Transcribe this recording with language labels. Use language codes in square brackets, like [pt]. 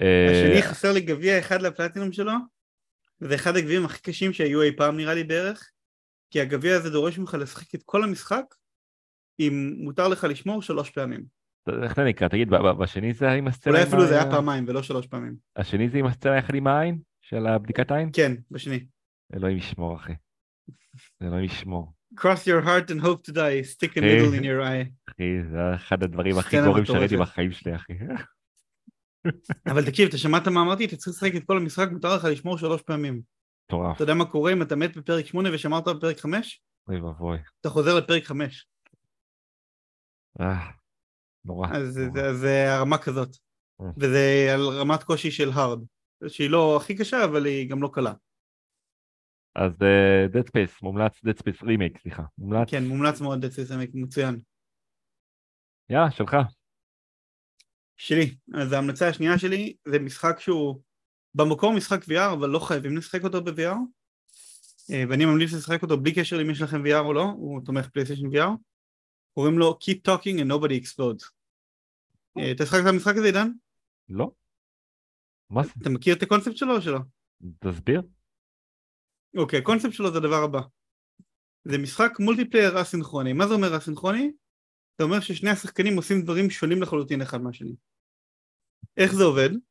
[he] השני חסר לי גביע אחד לפלטינום שלו. זה אחד הגביעים הכי קשים שהיו אי פעם נראה לי בערך, כי הגביע הזה דורש ממך לשחק את כל המשחק, אם מותר לך לשמור 3 פעמים. איך זה נקרא? תגיד, בשני זה עם הסצנה... אולי אפילו זה היה פעמיים ולא 3 פעמים. השני זה עם הסצנה יחד עם העין? של הבדיקת העין? כן, בשני. אלוהים ישמור אחי. אלוהים ישמור. [en] Cross your heart and hope to die, stick a needle in your eye. [he] אחי, זה אחד הדברים הכי גורים שראיתי בחיים שלי, אחי. אבל תקשיב, אתה שמעת מה אמרתי? אתה צריך לשחק את כל המשחק, מותר לך לשמור 3 פעמים. מטורף. אתה יודע מה קורה אם אתה מת בפרק 8 ושמרת בפרק 5? אוי ובוי. אתה חוזר לפרק 5. אה, נורא. אז זה הרמה כזאת. וזה על רמת קושי של הרד. שהיא לא הכי קשה, אבל היא גם לא קלה. אז Dead Space, מומלץ Dead Space Remake, סליחה. כן, מומלץ מאוד Dead Space Remake, מצוין. יאללה, שלך. שלי. אז ההמלצה השנייה שלי זה משחק שהוא במקור משחק VR, אבל לא חייבים לשחק אותו ב-VR. ואני ממליץ לשחק אותו בלי קשר אם יש לכם VR או לא, הוא תומך PlayStation VR. קוראים לו Keep Talking and Nobody Explodes. אתה שחק את המשחק הזה, עידן? לא. מה זה? אתה מכיר את הקונספט שלו או שלא? תסביר. אוקיי, הקונספט שלו זה הדבר הבא. זה משחק מולטיפלייר אסינכרוני. מה זה אומר אסינכרוני? זה אומר ששני השחקנים עושים דברים שונים לחלוטין אחד מהשני. איך זה עובד?